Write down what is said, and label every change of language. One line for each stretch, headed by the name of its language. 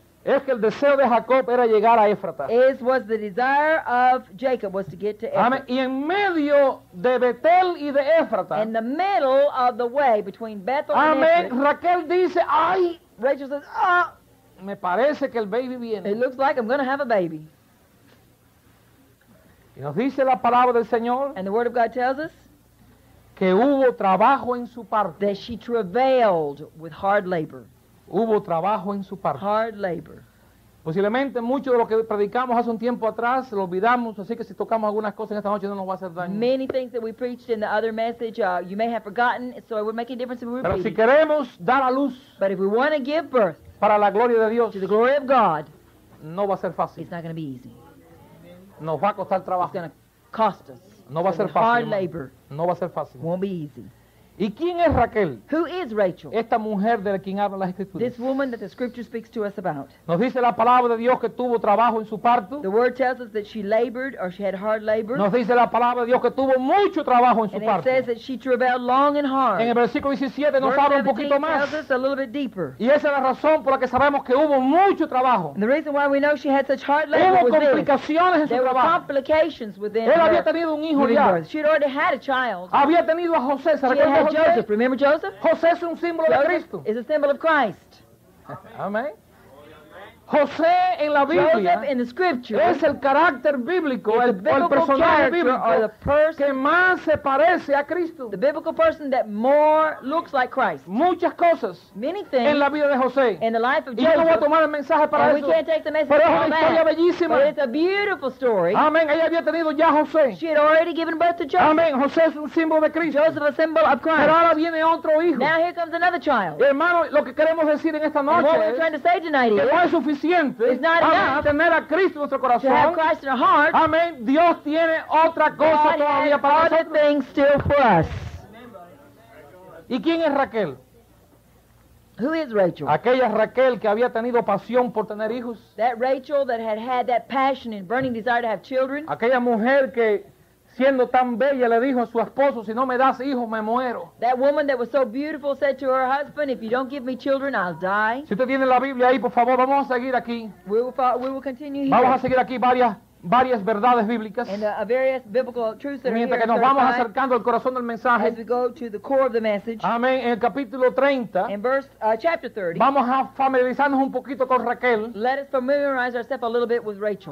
Spanish: es que el deseo de Jacob era llegar a Éfrata.
English: Is was the desire of Jacob was to get to Ephrata.
Spanish: Amén. Y en medio de Betel y de Éfrata,
English: in the middle of the way between Bethel
Spanish: amén,
English: and Ephrata,
Spanish: Raquel dice, ay,
English: Rachel says, ah,
Spanish: me parece que el baby viene.
English: It looks like I'm going to have a baby.
Spanish: Y nos dice la palabra del Señor,
English: and the word of God tells us,
Spanish: que hubo trabajo en su parte.
English: That she travailed with hard labor.
Spanish: Hubo trabajo en su parte.
English: Hard labor.
Spanish: Posiblemente mucho de lo que predicamos hace un tiempo atrás lo olvidamos, así que si tocamos algunas cosas en esta noche no nos va a hacer daño.
English: Many things that we preached in the other message you may have forgotten, so it would make a difference if we repeat.
Spanish: Pero si queremos dar a luz,
English: but if we want to give birth,
Spanish: para la gloria de Dios,
English: to the glory of God,
Spanish: no va a ser fácil.
English: It's not going to be easy.
Spanish: Nos va a costar trabajo.
English: It's going to cost us.
Spanish: No va a ser fácil.
English: Hard labor.
Spanish: No va a ser fácil.
English: Won't be easy.
Spanish: ¿Y quién es Raquel?
English: Who is Rachel?
Spanish: Esta mujer de quien habla las Escrituras.
English: This woman that the Scripture speaks to us about.
Spanish: Nos dice la palabra de Dios que tuvo trabajo en su parto.
English: The word tells us that she labored or she had hard labor.
Spanish: Nos dice la palabra de Dios que tuvo mucho trabajo en su parto.
English: And it says that she travailed long and hard.
Spanish: En el versículo 17 nos habla un poquito más.
English: Verse 17 tells us a little bit deeper.
Spanish: Y esa es la razón por la que sabemos que hubo mucho trabajo.
English: And the reason why we know she had such hard labor
Spanish: hubo
English: was
Spanish: complicaciones
English: there
Spanish: trabajo.
English: Were complications within
Spanish: él
English: her
Spanish: había tenido un hijo ya.
English: She had already had a child.
Spanish: Había tenido a José.
English: Joseph, remember Joseph?
Spanish: José es un símbolo
English: Joseph
Spanish: de Cristo.
English: Is a symbol of Christ.
Spanish: Amén. José en la Biblia
English: Joseph in the scripture
Spanish: es el carácter bíblico,
English: is
Spanish: el,
English: the biblical
Spanish: el personaje bíblico
English: or the person
Spanish: que más se parece a Cristo.
English: The biblical person that more looks like Christ.
Spanish: Muchas cosas
English: many things
Spanish: en la vida de José.
English: In the life of
Spanish: y
English: Joseph.
Spanish: Y no voy a tomar el mensaje para
English: and
Spanish: eso.
English: We can't take the message
Spanish: pero
English: from
Spanish: es una historia
English: that,
Spanish: bellísima.
English: But it's a beautiful story.
Spanish: Amén. Ella había tenido ya José.
English: She had already given birth to Joseph.
Spanish: Amén. José es un símbolo de Cristo.
English: Joseph a symbol of Christ.
Spanish: Pero ahora viene otro hijo.
English: Now here comes another child.
Spanish: Hermano, lo que queremos decir en esta noche
English: what
Spanish: es
English: we're trying to say tonight
Spanish: que
English: is,
Spanish: no es suficiente suficiente.
English: It's not enough.
Spanish: Tener a Cristo en nuestro corazón.
English: To have Christ in our heart.
Spanish: Amén. Dios tiene otra cosa todavía para nosotros.
English: God has other things still for us.
Spanish: ¿Y quién es Raquel?
English: Who is Rachel?
Spanish: Aquella Raquel que había tenido pasión por tener hijos.
English: That Rachel that had had that passion and burning desire to have children.
Spanish: Aquella mujer que siendo tan bella le dijo a su esposo, si no me das hijos me muero.
English: That woman that was so beautiful said to her husband, if you don't give me children I'll die.
Spanish: Si usted tiene la Biblia ahí, por favor, vamos a seguir aquí.
English: We will continue here.
Spanish: Vamos a seguir aquí varias verdades bíblicas.
English: And various biblical truths that
Spanish: mientras
English: are
Spanish: que nos vamos acercando al corazón del mensaje.
English: As we go to the core of the message.
Spanish: Amén. En el capítulo 30.
English: In chapter 30.
Spanish: Vamos a familiarizarnos un poquito con Raquel.
English: Let us familiarize ourselves a little bit with Rachel.